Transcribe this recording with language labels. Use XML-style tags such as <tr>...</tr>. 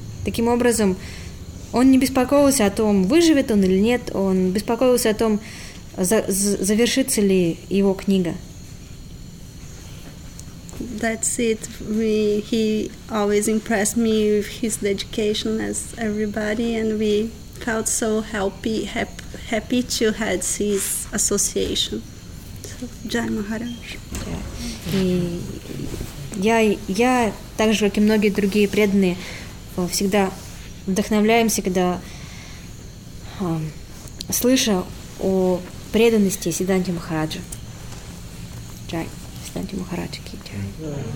<ru>Таким образом, он не беспокоился о том, выживет он или нет. Он беспокоился о том, завершится ли его книга.</ru> <en>That's it. He always impressed me with his dedication as everybody, and we felt so happy to have his association. So, Jai Maharaj.</en> <ru>Я так же, как и многие другие преданные, всегда вдохновляемся, когда слышу о преданности Сиддханте Махараджа. Джай, Сиддханте Махараджа ки джай.</ru>